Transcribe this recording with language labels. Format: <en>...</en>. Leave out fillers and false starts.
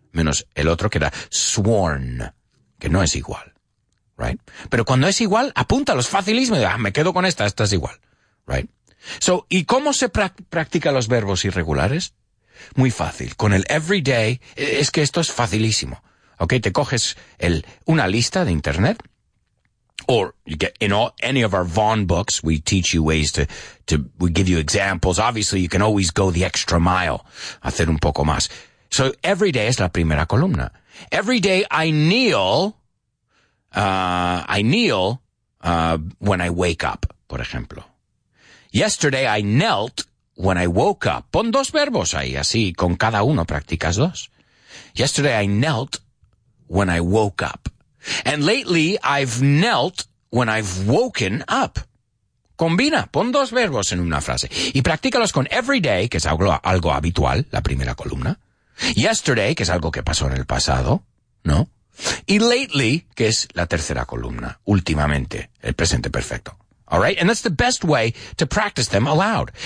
<es>Menos el otro que era sworn, que no es igual. Right? Pero cuando es igual, apúntalo, es facilísimo. Me quedo con esta es igual. Right? So, ¿y cómo se practica los verbos irregulares? Muy fácil. Con el everyday, es que esto es facilísimo. Okay, te coges una lista de internet.</es> <en>Or you get in any of our Vaughn books, we teach you ways we give you examples. Obviously, you can always go the extra mile, hacer un poco más. So every day es la primera columna. Every day I kneel when I wake up, por ejemplo. Yesterday I knelt when I woke up.</en> <es>Pon dos verbos ahí, así con cada uno practicas dos.</es> <en>Yesterday I knelt when I woke up. And lately, I've knelt when I've woken up.</en> <es>Combina, pon dos verbos en una frase. Y practícalos con every day, que es algo habitual, la primera columna. Yesterday, que es algo que pasó en el pasado, ¿no? Y lately, que es la tercera columna, últimamente, el presente perfecto.</es> <en>All right? And that's the best way to practice them aloud.</en>